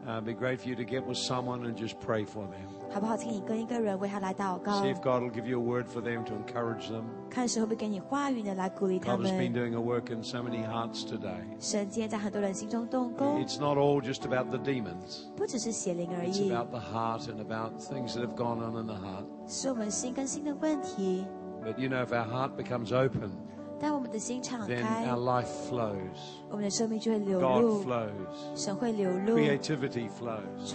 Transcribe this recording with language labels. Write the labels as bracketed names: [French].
[English] it'd be great for you to get with someone and just pray for them. [Chinese] 好不好, 请你跟一个人为他来祷告。 [English] See if God will give you a word for them to encourage them. [Chinese] 看神会不会给你话语呢，来鼓励他们。 [English] God has been doing a work in so many hearts today. [Chinese] 神今天在很多人心中动工。 [English] It's not all just about the demons. [Chinese] 不只是邪灵而已。 [English] It's about the heart and about things that have gone on in the heart. [Chinese] 是我们心跟心的问题。 [English] But you know, if our heart becomes open, then our life flows. God flows. Creativity flows.